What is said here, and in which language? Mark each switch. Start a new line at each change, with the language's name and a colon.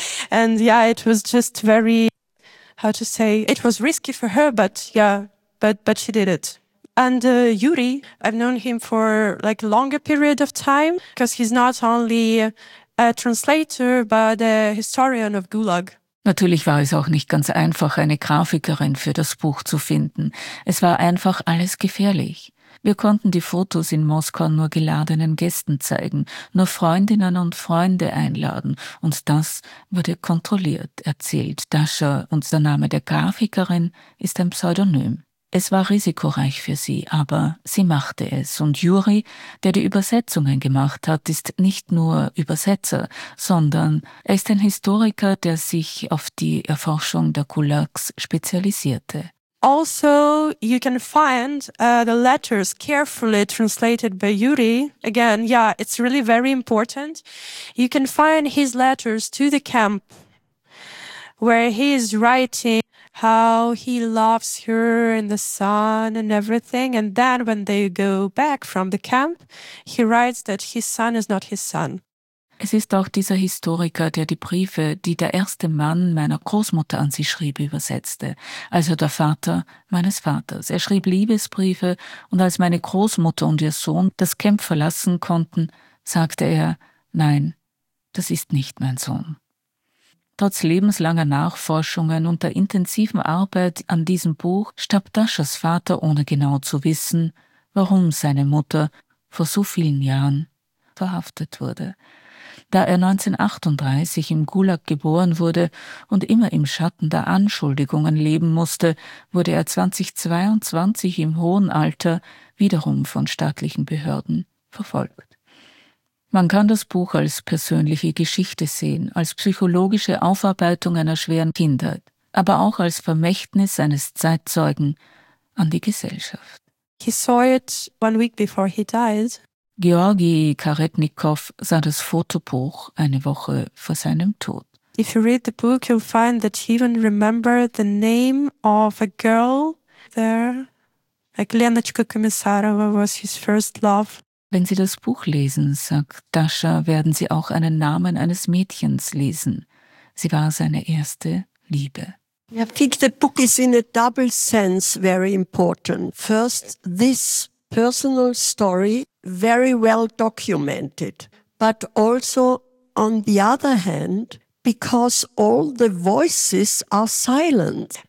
English: And yeah, it was just very, how to say, it was risky for her, but yeah, but she did it. And Yuri, I've known him for like a longer period of time because he's not only a translator, but a historian of Gulag.
German: Natürlich war es auch nicht ganz einfach, eine Grafikerin für das Buch zu finden. Es war einfach alles gefährlich. Wir konnten die Fotos in Moskau nur geladenen Gästen zeigen, nur Freundinnen und Freunde einladen. Und das wurde kontrolliert, erzählt Dascha. Und der Name der Grafikerin ist ein Pseudonym. Es war risikoreich für sie, aber sie machte es. Und Juri, der die Übersetzungen gemacht hat, ist nicht nur Übersetzer, sondern er ist ein Historiker, der sich auf die Erforschung der Gulags spezialisierte.
English: Also, you can find the letters carefully translated by Yuri. Again, yeah, it's really very important. You can find his letters to the camp where he is writing how he loves her in the sun and everything. And then when they go back from the camp, he writes that his son is not his son.
German: Es ist auch dieser Historiker, der die Briefe, die der erste Mann meiner Großmutter an sie schrieb, übersetzte. Also der Vater meines Vaters. Er schrieb Liebesbriefe, und als meine Großmutter und ihr Sohn das Camp verlassen konnten, sagte er, nein, das ist nicht mein Sohn. Trotz lebenslanger Nachforschungen und der intensiven Arbeit an diesem Buch starb Daschas Vater, ohne genau zu wissen, warum seine Mutter vor so vielen Jahren verhaftet wurde. Da er 1938 im Gulag geboren wurde und immer im Schatten der Anschuldigungen leben musste, wurde er 2022 im hohen Alter wiederum von staatlichen Behörden verfolgt. Man kann das Buch als persönliche Geschichte sehen, als psychologische Aufarbeitung einer schweren Kindheit, aber auch als Vermächtnis eines Zeitzeugen an die Gesellschaft.
English: He saw it one week before he died.
German: Georgi Karetnikov sah das Fotobuch eine Woche vor seinem Tod.
English: If you read the book, you'll find that he even remembered the name of a girl there. Like Lenochka Komissarova was his first love.
German: Wenn Sie das Buch lesen, sagt Dascha, werden Sie auch einen Namen eines Mädchens lesen. Sie war seine erste Liebe.
English: Yeah, I think the book is in a double sense very important. First, this personal story, very well documented. but also on the other hand, because all the voices are silent.